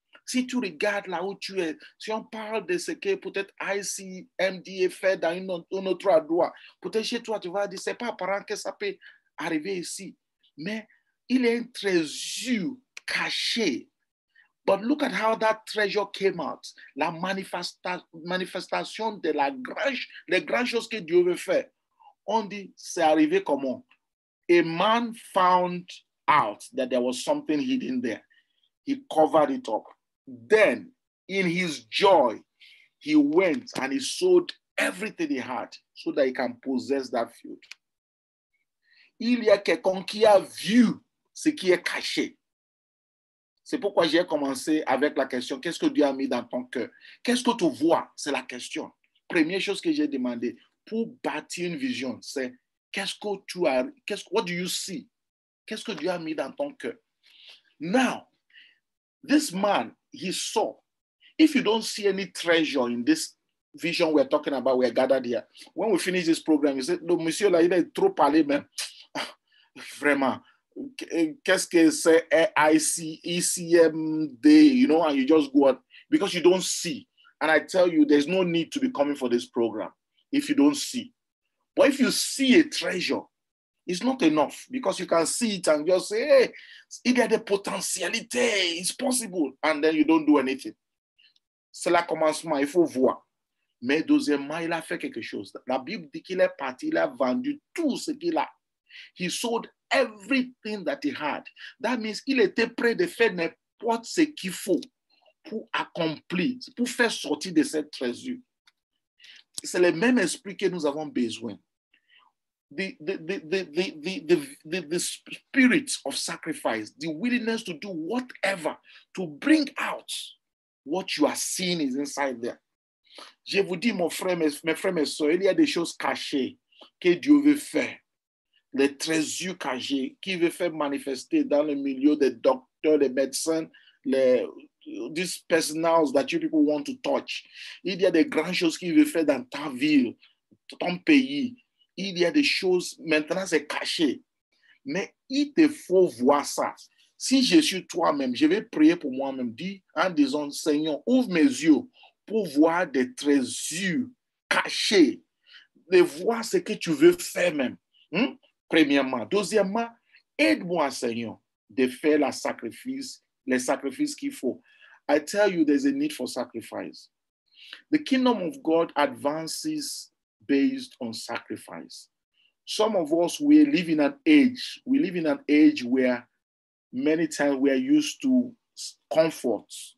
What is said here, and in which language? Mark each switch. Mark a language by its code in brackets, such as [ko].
[fr] Si tu regardes là où tu es, si on parle de ce que peut-être ICMDA fait dans un autre endroit, peut-être chez toi, tu vas dire, ce n'est pas apparent que ça peut arriver ici. Mais il est un trésor caché. [en] But look at how that treasure came out. [fr] La manifestation de la grâce, les grandes choses que Dieu veut faire. On dit, c'est arrivé comment? [en] A man found out that there was something hidden there. He covered it up. Then, in his joy, he went and he sold everything he had so that he can possess that field. [fr] Il y a quelqu'un qui a vu ce qui est caché. C'est pourquoi j'ai commencé avec la question, qu'est-ce que Dieu a mis dans ton cœur? Qu'est-ce que tu vois? C'est la question. Première chose que j'ai demandé pour bâtir une vision, c'est qu'est-ce que tu as, what do you see? Qu'est-ce que Dieu a mis dans ton cœur? [en] Now, this man, he saw. If you don't see any treasure in this vision we're talking about, we're gathered here. When we finish this program, you say, no, [fr] monsieur, là, il est trop parlé, mais vraiment. Qu'est-ce que c'est [en] ICMD, you know, and you just go on because you don't see. And I tell you, there's no need to be coming for this program if you don't see. But if you see a treasure, it's not enough because you can see it and just say, hey, [fr] il y a des potentialités, [en] it's possible, and then you don't do anything. [fr] C'est la commencement, il faut voir. Mais deuxièmement, il a fait quelque chose. La Bible dit qu'il est parti, il a vendu tout ce qu'il a. [en] He sold everything that he had. That means [fr] il était prêt de faire n'importe ce qu'il faut pour accomplir, pour faire sortir de cette trésor. C'est le même esprit que nous avons besoin. [en] The spirit of sacrifice, the willingness to do whatever to bring out what you are seeing is inside there. [fr] Je vous dis, mon frère, mes soeurs, il y a des choses cachées que Dieu veut faire. Les trésors cachés qui veut faire manifester dans le milieu des docteurs, des médecins, [en] these personnels that you people want to touch. [fr] Il y a des grandes choses qu'il veut faire dans ta ville, ton pays. Il y a des choses, maintenant c'est caché. Mais il te faut voir ça. Si je suis toi-même, je vais prier pour moi-même, dis en disant, Seigneur, ouvre mes yeux pour voir des trésors cachés, de voir ce que tu veux faire même. Premièrement. Deuxièmement, aide-moi, Seigneur, de faire la sacrifice, les sacrifices qu'il faut. [en] I tell you, there's a need for sacrifice. The kingdom of God advances based on sacrifice. Some of us, we live in an age where many times we are used to comfort.